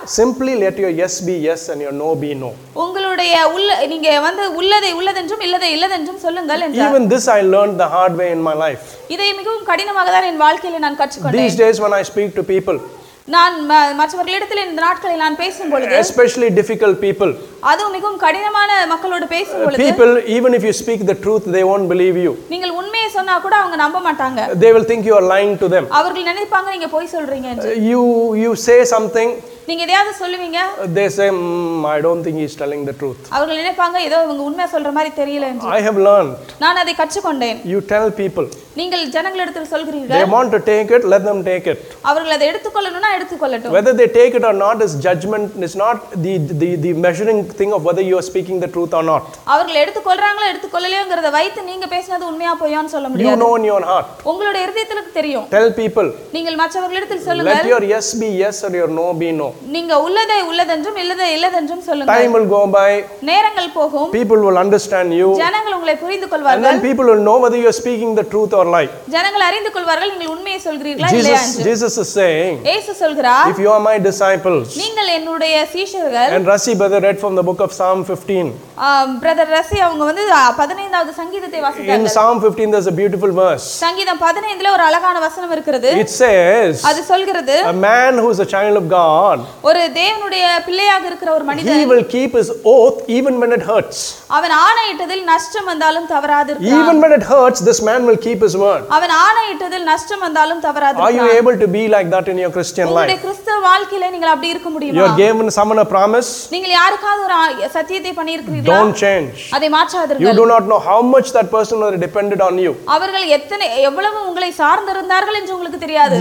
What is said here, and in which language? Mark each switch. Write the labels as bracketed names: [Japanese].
[English] Simply let your yes be yes and your no be no. [Tamil] உங்களுடைய உள்ள நீங்க வந்து உள்ளதை உள்ளதென்றும் இல்லதை இல்லதென்றும் சொல்லுங்கள் என்றார். [English] Even this I learned the hard way in my life. [Tamil] இதை மிகவும் கடினமாக தான் என் வாழ்க்கையில நான் கற்றுக்கொண்டேன். [English] These days when I speak to people. [Tamil] நான் மற்றவர்களிடத்தில் இந்த நாட்களில் நான் பேசும் பொழுது [English] especially difficult people. [Tamil] அது மிகவும் கடினமான மக்களோடு பேசும் பொழுது [English] people even if you speak the truth they won't believe you. [Tamil] நீங்கள் உண்மையை சொன்னா கூட அவங்க நம்ப மாட்டாங்க. [English] They will think you are lying to them. [Tamil] அவர்கள் நினைப்பாங்க நீங்க பொய் சொல்றீங்க என்று. [English] You say something. [Tamil] நீங்க எதையாவது சொல்லுவீங்க. [English] They say I don't think he is telling the truth. [Tamil] அவர்கள் நினைப்பாங்க ஏதோ இவங்க உண்மை சொல்ற மாதிரி தெரியல என்று. [English] I have learned. [Tamil] நான் அதை கற்றுக்கொண்டேன். [English] You tell people. [Tamil] நீங்கள் ஜனங்களிடத்தில் சொல்கிறீர்கள். [English] They want to take it, let them take it. [Tamil] அவர்கள் அதை எடுத்துக்கொள்ளணும்னா எடுத்துக்கொள்ளட்டும். [English] Whether they take it or not is judgment, is not the measuring thing of whether you are speaking the truth or not. [Tamil] அவர்கள் எடுத்துக்கொள்றாங்களோ எடுத்துக்கொள்ளலையோங்கறதை வைத்து நீங்க பேசினது உண்மையா பொய்யான்னு சொல்ல முடியாது. [English] You know in your heart. [Tamil] உங்களுடைய இதயத்துக்கு தெரியும். [English] Tell people. [Tamil] நீங்கள் மற்றவர்களிடத்தில் சொல்லுங்கள். [English] Let your yes be yes or your no be no. [Tamil] நீங்க உள்ளதை உள்ளதென்றும் இல்லதை இல்லதென்றும் சொல்லுங்கள். [English] Time will go by. [Tamil] நேரங்கள் போகும். [English] People will understand you. [Tamil] ஜனங்கள் உங்களை புரிந்துகொள்வார்கள். [English] And then people will know whether you are speaking the truth. [Tamil] ஜனங்கள் அறிந்து கொள்வார்கள் நீங்கள் உண்மையை சொல்கிறீர்களா இல்லையா என்று. [English] Jesus is saying. [Tamil] இயேசு சொல்கிறார். [English] If you are my disciples. [Tamil] நீங்கள் என்னுடைய சீஷர்கள். [English] And Rasi brother read from the book of Psalm 15. [Tamil] Brother Rasi அவங்க வந்து 15வது சங்கீதத்தை வாசித்தார்கள். [English] In Psalm 15 there's a beautiful verse. [Tamil] சங்கீதம் 15ல ஒரு அழகான வசனம் இருக்கிறது. [English] It says. [Tamil] அது சொல்கிறது. [English] A man who is a child of God. [Tamil] ஒரு தேவனுடைய பிள்ளையாக இருக்கிற ஒரு மனிதர். [English] He will keep his oath even when it hurts. [Tamil] அவன் ஆணையிட்டதில் நஷ்டம் வந்தாலும் தவறாது இருப்பான். [English] Even when it hurts this man will keep his word. [Tamil] அவன் ஆணையிட்டதில் நஷ்டம் வந்தாலும் தவறாது. [English] Are you able to be like that in your Christian life? [Tamil] உங்கள் கிறிஸ்தவ வாழ்க்கையில நீங்கள் அப்படி இருக்க முடியுமா? [English] You are given someone a promise. [Tamil] நீங்கள் யாருக்காவது ஒரு சத்தியத்தை பண்ணியிருக்கிறீர்களா? [English] Don't change. [Tamil] அதை மாற்றாதீர்கள். [English] You do not know how much that person was depended on you. [Tamil] அவர்கள் எத்தனை எவ்வளவு உங்களை சார்ந்து இருந்தார்கள் என்று உங்களுக்கு தெரியாது.